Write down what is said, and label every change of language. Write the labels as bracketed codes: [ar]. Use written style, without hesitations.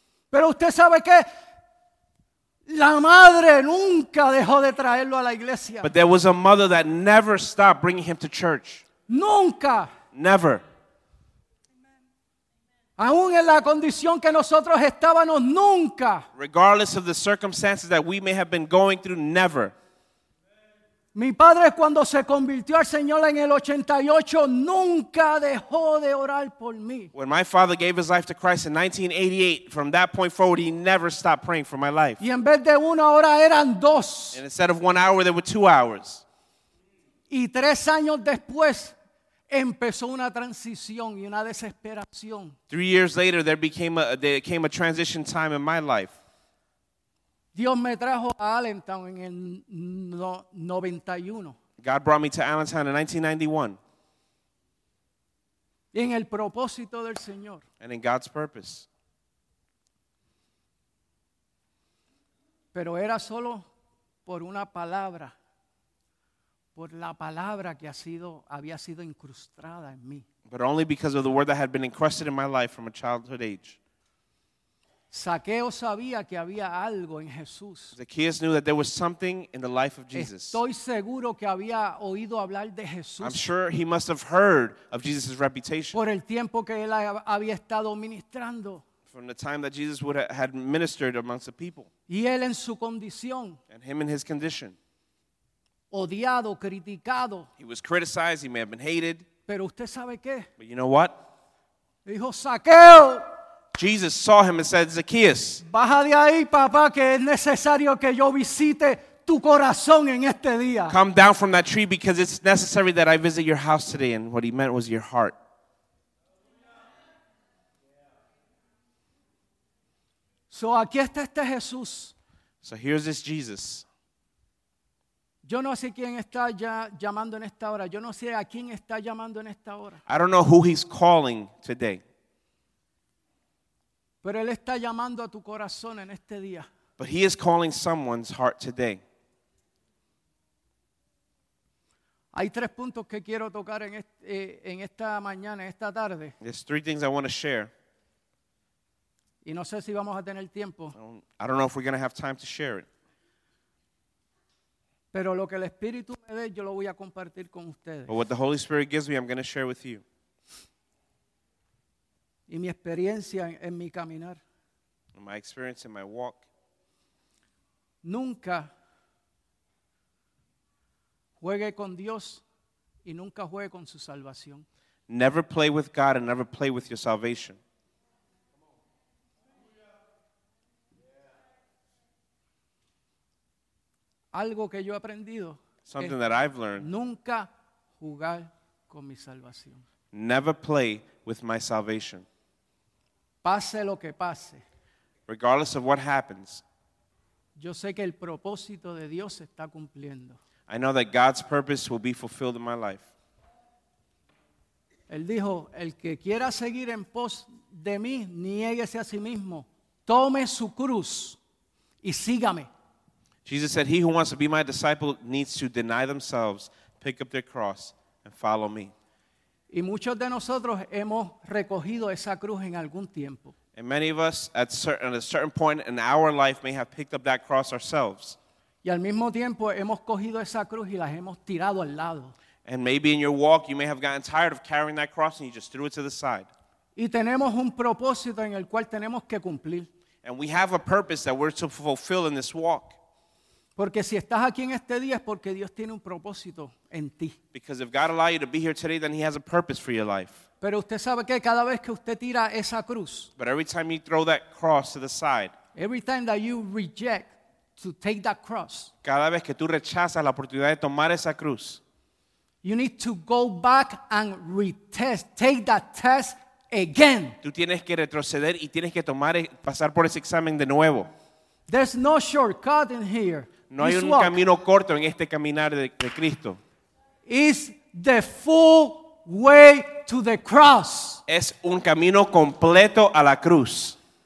[es] Pero usted sabe que la madre nunca dejó de traerlo a la iglesia. [en] But there was a mother that never stopped bringing him to church. [es] Nunca. [en] Never. [es] Aún en la condición que nosotros estábamos, nunca. [en] Regardless of the circumstances that we may have been going through, never. [es] Mi padre cuando se convirtió al Señor en el 88, nunca dejó de orar por mí. [en] When my father gave his life to Christ in 1988, from that point forward, he never stopped praying for my life. [es] Y en vez de una hora, eran dos. [en] And instead of 1 hour, there were 2 hours. [es] Y tres años después, empezó una transición y una desesperación. [en] 3 years later, there came a transition time in my life. [es] Dios me trajo a Allentown en el 91. [en] God brought me to Allentown in 1991. [es] En el propósito del Señor. [en] And in God's purpose. [es] Pero era solo por una palabra. Por la palabra que había sido incrustada en mí. [en] But only because of the word that had been encrusted in my life from a childhood age. [es] Zaqueo sabía que había algo en Jesús. [en] Zacchaeus knew that there was something in the life of Jesus. [es] Estoy seguro que había oído hablar de Jesús. [en] I'm sure he must have heard of Jesus' reputation. [es] Por el tiempo que él había estado ministrando. [en] From the time that Jesus would have had ministered amongst the people. [es] Y él en su condición. [en] And him in his condition. [es] Odiado, criticado. [en] He was criticized, he may have been hated. [es] Pero usted sabe qué? [en] But you know what? [es] Dijo, Zaqueo. [en] Jesus saw him and said, Zacchaeus. [es] Baja de ahí, papá, que es necesario que yo visite tu corazón en este día. [en] Come down from that tree because it's necessary that I visit your house today. And what he meant was your heart. [es] So aquí está este Jesús. [en] So here's this Jesus. [es] Yo no sé quién está ya llamando en esta hora. Yo no sé a quién está llamando en esta hora. [en] I don't know who he's calling today. [es] Pero él está llamando a tu corazón en este día. [en] But he is calling someone's heart today. [es] Hay tres puntos que quiero tocar en esta mañana, en esta tarde. [en] There's 3 things I want to share. [es] Y no sé si vamos a tener tiempo. [en] I don't know if we're going to have time to share it. [es] Pero lo que el Espíritu me dé, yo lo voy a compartir con ustedes. [en] But what the Holy Spirit gives me, I'm going to share with you. [es] Y mi experiencia en mi caminar. [en] And my experience in my walk. [es] Nunca juegue con Dios y nunca juegue con su salvación. [en] Never play with God and never play with your salvation. [es] Algo que yo he aprendido. [en] Something that I've learned. [es] Nunca jugar con mi salvación. [en] Never play with my salvation. [es] Pase lo que pase. [en] Regardless of what happens. [es] Yo sé que el propósito de Dios se está cumpliendo. [en] I know that God's purpose will be fulfilled in my life. [es] Él dijo, el que quiera seguir en pos de mí, niéguese a sí mismo. Tome su cruz y sígame. [en] Jesus said, he who wants to be my disciple needs to deny themselves, pick up their cross, and follow me. [es] Y muchos de nosotros hemos recogido esa cruz en algún tiempo. [en] And many of us at a certain point in our life may have picked up that cross ourselves. [es] Y al mismo tiempo hemos cogido esa cruz y las hemos tirado al lado. [en] And maybe in your walk you may have gotten tired of carrying that cross and you just threw it to the side. [es] Y tenemos un propósito en el cual tenemos que cumplir. [en] And we have a purpose that we're to fulfill in this walk. [es] Porque si estás aquí en este día es porque Dios tiene un propósito en ti. [en] Because if God allowed you to be here today, then he has a purpose for your life. [es] Pero usted sabe que cada vez que usted tira esa cruz. [en] But every time you throw that cross to the side. Every time that you reject to take that cross. [es] Cada vez que tú rechazas la oportunidad de tomar esa cruz. [en] You need to go back and retest, take that test again. [es] Tú tienes que retroceder y tienes que tomar, pasar por ese examen de nuevo. [en] There's no shortcut in here. [es] No hay un camino corto en este caminar de Cristo. [en] It's the full way to the cross. [es] Es un camino completo a la cruz.